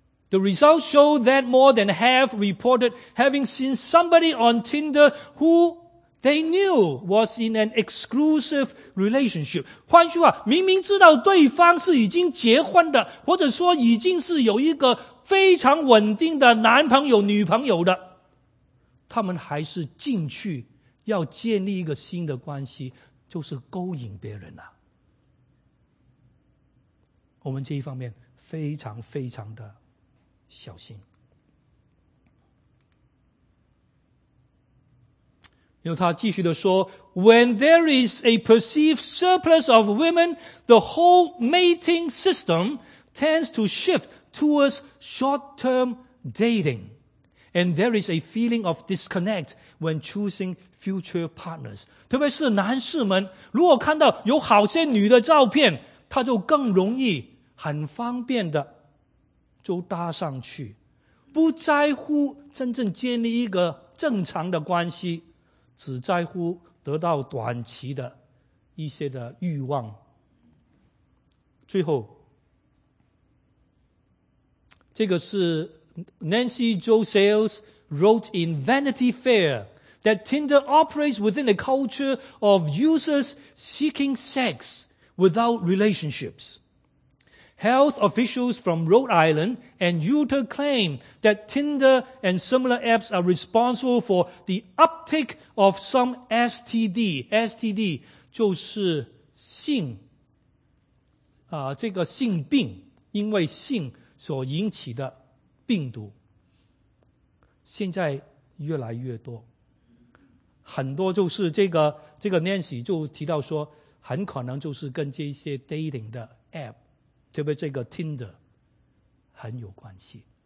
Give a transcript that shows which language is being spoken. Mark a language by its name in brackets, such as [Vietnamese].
[English] The results show that more than half reported having seen somebody on Tinder who they knew was in an exclusive relationship. [Chinese] 换句话，明明知道对方是已经结婚的，或者说已经是有一个非常稳定的男朋友、女朋友的，他们还是进去要建立一个新的关系，就是勾引别人了。我们这一方面非常非常的小心。因为他继续的说 [English] When there is a perceived surplus of women, the whole mating system tends to shift towards short-term dating. And there is a feeling of disconnect when choosing future partners. [Chinese] 特别是男士们，如果看到有好些女的照片，他就更容易很方便的就搭上去，不在乎真正建立一个正常的关系，只在乎得到短期的一些的欲望。最后，这个是 [English] Nancy Jo Sales wrote in Vanity Fair that Tinder operates within a culture of users seeking sex without relationships. Health officials from Rhode Island and Utah claim that Tinder and similar apps are responsible for the uptick of some STD. [Chinese] STD 就是性，这个性病，因为性所引起的病毒，现在越来越多。很多就是这个 Nancy 就提到说，很可能就是跟这些 dating 的 app， 特别这个 Tinder 很有关系。